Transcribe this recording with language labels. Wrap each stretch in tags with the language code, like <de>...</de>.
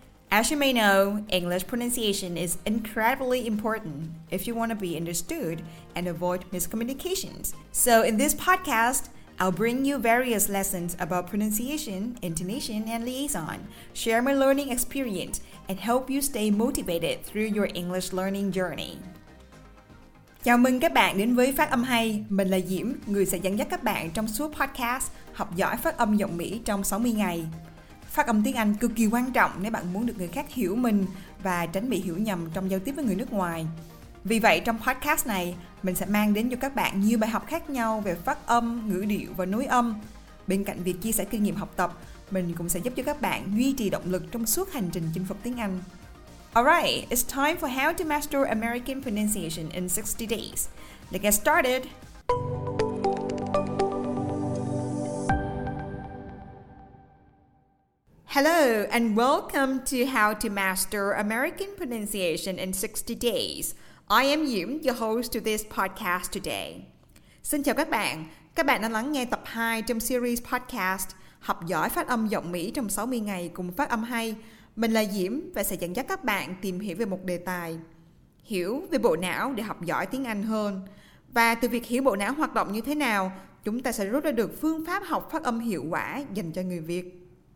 <en>As you may know, English pronunciation is incredibly important if you want to be understood and avoid miscommunications. So in this podcast, I'll bring you various lessons about pronunciation, intonation, and liaison, share my learning experience, and help you stay motivated through your English learning journey.</en> <vi>Chào mừng các bạn đến với Phát âm hay. Mình là Diễm, người sẽ dẫn dắt các bạn trong suốt podcast học giỏi phát âm giọng Mỹ trong 60 ngày. Phát âm tiếng Anh cực kỳ quan trọng nếu bạn muốn được người khác hiểu mình và tránh bị hiểu nhầm trong giao tiếp với người nước ngoài. Vì vậy, trong podcast này, mình sẽ mang đến cho các bạn nhiều bài học khác nhau về phát âm, ngữ điệu và nối âm. Bên cạnh việc chia sẻ kinh nghiệm học tập, mình cũng sẽ giúp cho các bạn duy trì động lực trong suốt hành trình chinh phục tiếng Anh.</vi> <en>Alright, it's time for how to master American pronunciation in 60 days. Let's get started! Hello and welcome to how to master American pronunciation in 60 days. I am Yim, your host of this podcast today.</en> <vi>Xin chào các bạn đang lắng nghe tập 2 trong series podcast Học giỏi phát âm giọng Mỹ trong 60 ngày cùng Phát âm hay. Mình là Diễm và sẽ dẫn dắt các bạn tìm hiểu về một đề tài, hiểu về bộ não để học giỏi tiếng Anh hơn. Và từ việc hiểu bộ não hoạt động như thế nào, chúng ta sẽ rút ra được phương pháp học phát âm hiệu quả dành cho người Việt.</vi>